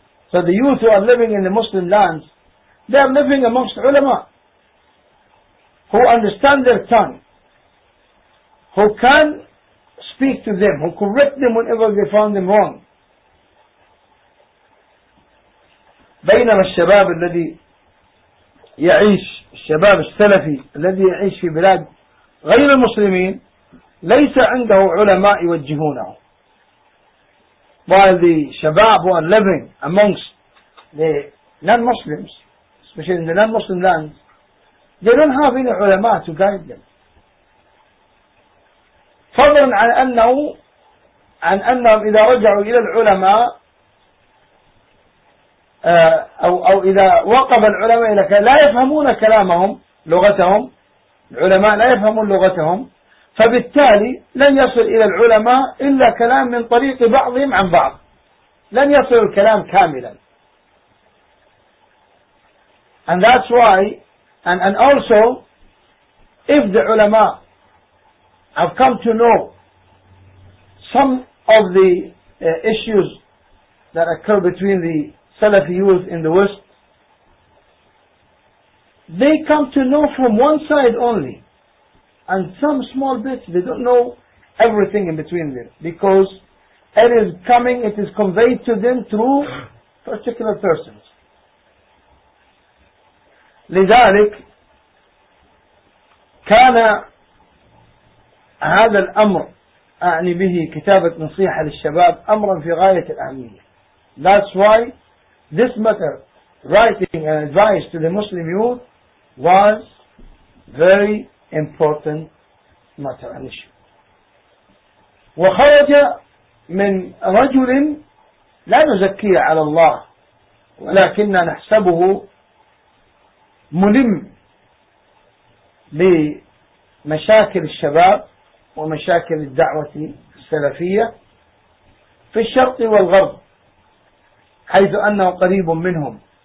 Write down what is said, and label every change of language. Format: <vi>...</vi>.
<en>So the youth who are living in the Muslim lands, they are living amongst ulama who understand their tongue, who can speak to them, who correct them whenever they found them wrong.</en> <ar>بينما الشباب الذي يعيش الشباب السلفي الذي يعيش في بلاد غير المسلمين ليس عنده علماء يوجهونه.</ar> <en>While the شباب who are living amongst the non-Muslims, especially in the non-Muslim lands, they don't have any علماء to guide them.</en> <ar>فضلا عن أنه عن أنهم إذا رجعوا إلى العلماء أو إذا وقف العلماء لك لا يفهمون كلامهم لغتهم, العلماء لا يفهمون لغتهم, فبالتالي لن يصل إلى العلماء إلا كلام من طريق بعضهم عن بعض, لن يصل الكلام كاملا.</ar> <en>And that's why and also if the ulama have come to know some of the issues that occur between the Salafi youth in the West, they come to know from one side only and some small bits. They don't know everything in between them, because it is coming, it is conveyed to them through particular persons.</en> <ar>لذلك كان هذا الأمر أعني به كتابة نصيحة للشباب أمرا في غاية الأهمية.</ar> <en>That's why this matter, writing an advice to the Muslim youth, was very important matter and issue.</en> <ar>وخرج من رجل لا نزكي على الله ولكننا نحسبه ملم لمشاكل الشباب ومشاكل الدعوة السلفية في الشرق والغرب, حيث أنه قريب منهم.</ar>